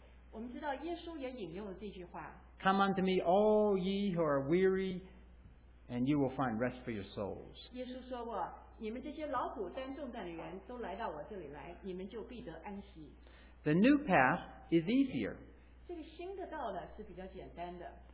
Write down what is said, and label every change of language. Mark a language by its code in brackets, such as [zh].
[zh] 我们知道耶稣也引用了这句话, [en] Come unto me, all ye who are weary, and you will find rest for your souls. [zh] 耶稣说过, 你们这些劳苦担重担的人都来到我这里来, [en] the new path is easier. [zh] 这个新的道呢是比较简单的,